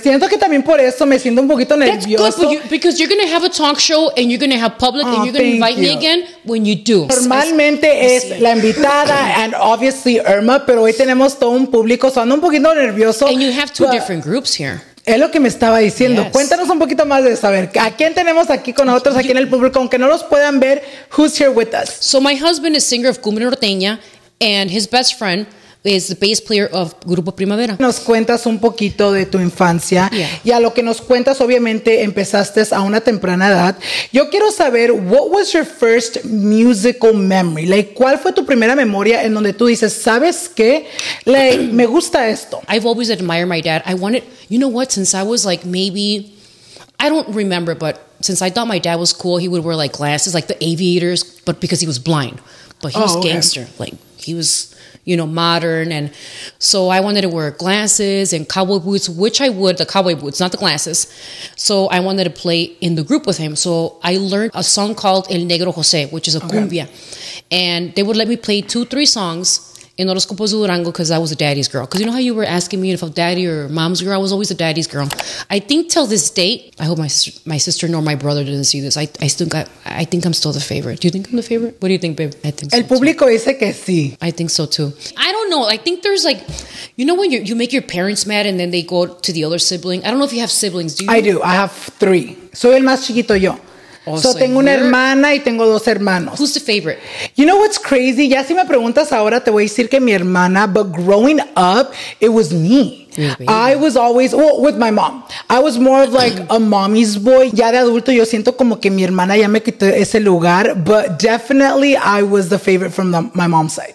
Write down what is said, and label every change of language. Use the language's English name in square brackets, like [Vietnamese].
[Spanish] Siento que también por eso me siento un poquito nervioso. [English] That's good, because you're going to have a talk show and you're going to have public and you're going to invite me again when you do. [Spanish] Normalmente es la invitada and obviously Irma, pero hoy tenemos todo un público, so ando un poquito nervioso. [English] And you have two different groups here. [Spanish] Es lo que me estaba diciendo. Yes. Cuéntanos un poquito más de saber a quién tenemos aquí con nosotros, aquí en el público, aunque no los puedan ver, [English] who's here with us. So my husband is singer of Cumbre Norteña and his best friend is the bass player of Grupo Primavera. [Spanish] Nos cuentas un poquito de tu infancia. [English] Yeah. [Spanish] Y a lo que nos cuentas, obviamente, empezaste a una temprana edad. Yo quiero saber, [English] what was your first musical memory? [Spanish] Like, ¿cuál fue tu primera memoria en donde tú dices, sabes qué? Like, me gusta esto. [English] I've always admired my dad. I wanted, you know what, since I was like maybe, I don't remember, but since I thought my dad was cool, he would wear like glasses, like the aviators, but because he was blind. But he was gangster. Like, he was, you know, modern. And so I wanted to wear glasses and cowboy boots, which I would, the cowboy boots, not the glasses. So I wanted to play in the group with him. So I learned a song called El Negro José, which is a cumbia. And they would let me play 2-3 songs. in Horoscopos de Durango because I was a daddy's girl. Because you know how you were asking me if I'm daddy or mom's girl? I was always a daddy's girl. I think till this date, I hope my sister nor my brother didn't see this. I think I'm still the favorite. Do you think I'm the favorite? What do you think, babe? I think [Spanish] so. El público dice que sí. [English] I think so too. I don't know. I think there's like, you know when you make your parents mad and then they go to the other sibling? I don't know if you have siblings. Do you? I do. I have three. [Spanish] Soy el más chiquito yo. So tengo una hermana y tengo dos hermanos. [English] Who's the favorite? You know what's crazy? [Spanish] Ya si me preguntas ahora, te voy a decir que mi hermana. [English] But growing up, it was me. I was always, well, with my mom. I was more of like a mommy's boy. [Spanish] Ya de adulto, yo siento como que mi hermana ya me quitó ese lugar. [English] But definitely, I was the favorite from my mom's side.